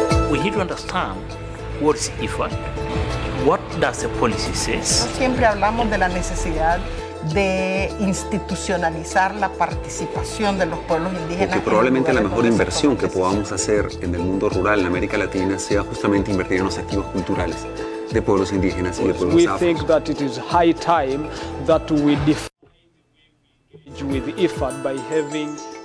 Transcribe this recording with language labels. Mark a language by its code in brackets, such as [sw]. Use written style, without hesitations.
[en] We need to understand what's IFAD, what does the policy says. [es] No siempre hablamos de la necesidad de institucionalizar la participación de los pueblos indígenas. Porque probablemente la mejor inversión que podamos hacer en el mundo rural en América Latina sea justamente invertir en los activos culturales de pueblos indígenas y de pueblos afro. [en] We think that it is high time that we engage with IFAD by having.